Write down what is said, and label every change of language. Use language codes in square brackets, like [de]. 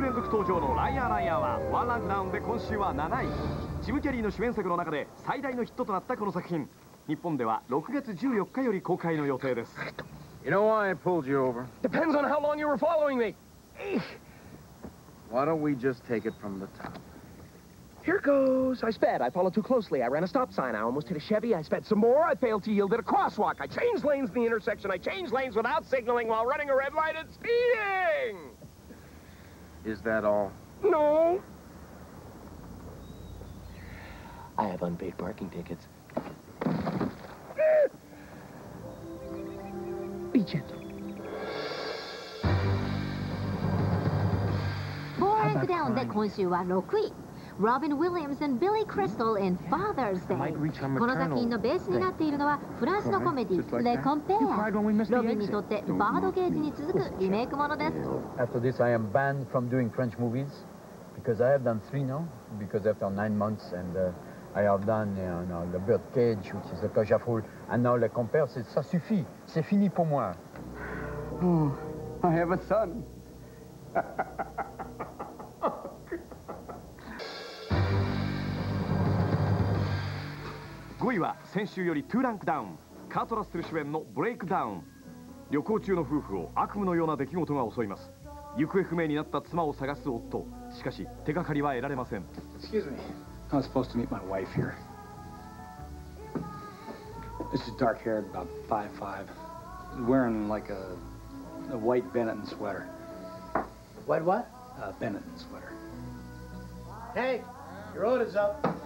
[ja] 登場のライアーライアーはワンランクダウンで今週は7位。ジム・キャリーの主演作の中で最大のヒットとなったこの作品、日本では6月14日より公開の予定です。 [en] You know why I pulled you over? Depends on how long you were following me. Why don't we just take it from the top? Here goes. I sped. I followed too closely. I ran a stop sign. I almost hit a Chevy. I sped some more. I failed to yield at a crosswalk. I changed lanes in the intersection. I changed lanes without signaling while running a red light and speeding! Is that all? No! I have unpaid parking tickets. Be gentle. Four ranks down, [ja] で今週は6位。 [en] Robin Williams and Billy Crystal in Father's Day. [ja] この作品のベースになっているのはフランスのコメディ、Le Compère。ロビンにとってバードケージに続くリメイクものです。 [en] After this, I am banned from doing French movies because I have done three now because after 9 months and I have done the birdcage, which is the cage of hole, and now Le Compère said, [fr] ça suffit, c'est fini pour moi. [en] Oh, I have a son. [ja] Oh, 5位は先週より2ランクダウン、カートラッセル主演のブレイクダウン。旅行中の夫婦を悪夢のような出来事が襲います。行方不明になった妻を探す夫、しかし手がかりは得られません。 [en] Excuse me, I'm not supposed to meet my wife here. This is dark haired, about 5'5", wearing like a white Benetton sweater. White what? A Benetton sweater. Hey, your order's up.